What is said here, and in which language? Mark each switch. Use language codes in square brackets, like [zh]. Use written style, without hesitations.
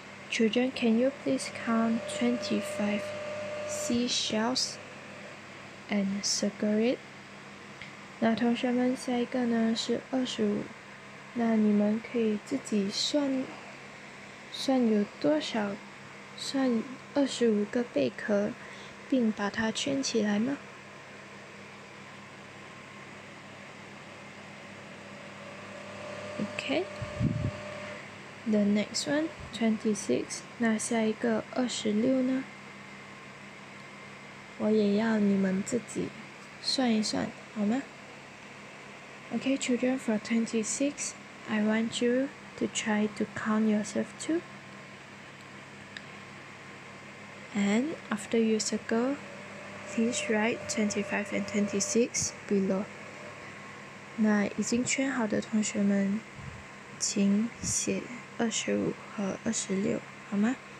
[en] Children, can you please count 25 seashells and circle it? [zh] 那同学们下一个呢是25。那你们可以自己算有多少算25个贝壳并把它圈起来吗？ [en] OK. The next one, 26. [zh] 那下一个26呢？我也要你们自己算一算，好吗？ [en] OK, children, for 26, I want you to try to count yourself too. And after you circle, please write 25 and 26 below. [zh] 那已经圈好的同学们，请写25和26，好吗？